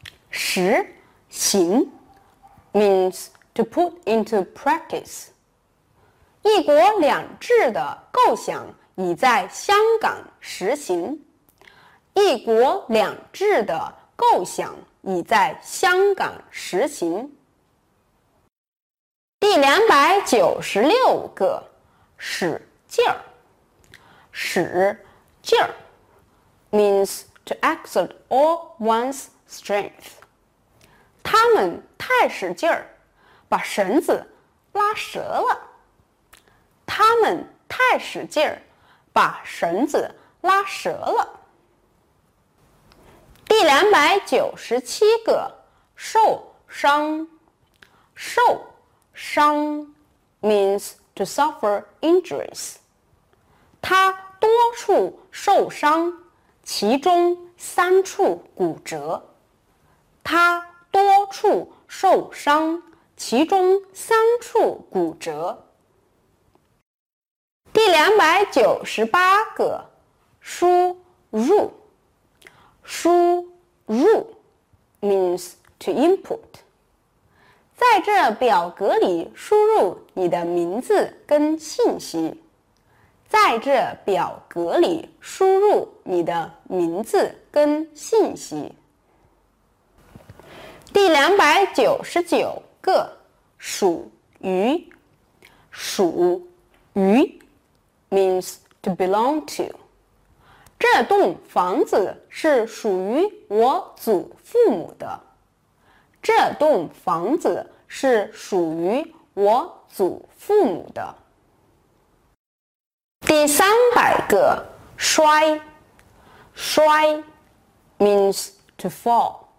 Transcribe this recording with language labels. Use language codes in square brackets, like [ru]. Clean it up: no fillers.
[en] 实行 means to put into practice. [zh] 一国两制的构想已在香港实行。一国两制的构想已在香港实行。第296个，使劲儿。 [en] 使劲儿 means to exert all one's strength. [zh] 他们太使劲儿，把绳子拉折了。他们太使劲儿，把绳子拉折了。第297个，受伤。 [en] 受伤 means to suffer injuries. [zh] 他多处受伤，其中三处骨折。他多处受伤，其中三处骨折。第298个，输入。 [en] 输入 means to input. [zh] 在这表格里输入你的名字跟信息。在这表格里输入你的名字跟信息。第299个，属于。 [en] 属于 means to belong to. [zh] 这栋房子是属于我祖父母的。这栋房子是属于我祖父母的。第300个，摔。摔 [en] means to fall.